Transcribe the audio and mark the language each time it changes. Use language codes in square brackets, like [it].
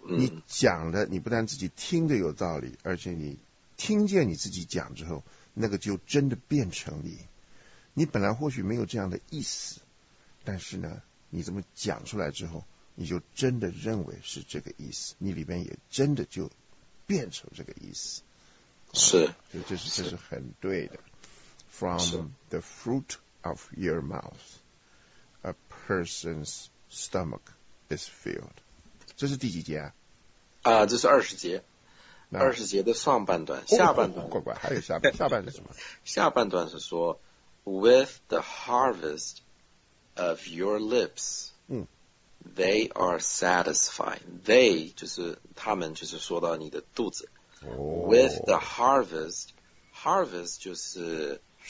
[zh] 你讲的，你不但自己听得有道理，而且你听见你自己讲之后，那个就真的变成你。你本来或许没有这样的意思，但是呢，你这么讲出来之后，你就真的认为是这个意思，你里边也真的就变成这个意思。是，这是很对的。 [en] From the fruit of your mouth, a person's stomach is filled。 [zh] 这是第几节啊？啊，这是二十节。二十节的上半段，下半段。乖乖，还有下半段。下半段是什么？下半段是说 [en] ，With the harvest of your lips， they are satisfied。 [zh] They 就是他们，就是说到你的肚子。 [en] With the harvest [zh] 就是